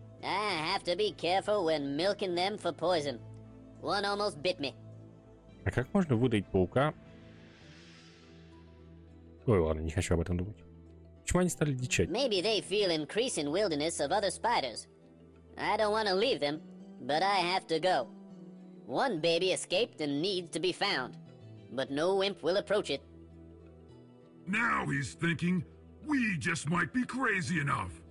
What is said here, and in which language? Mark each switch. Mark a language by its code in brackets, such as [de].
[en] I have to be careful when milking them for poison. One almost bit me. [ru] А как можно выдать паука? Ой, ладно, не хочу об этом думать. Почему они стали дичать? [en] Maybe they feel increasing wilderness of other spiders. I don't want to leave them, but I have to go. One baby escaped and needs to be found. But no imp will approach it. Now he's thinking, we just might be crazy enough.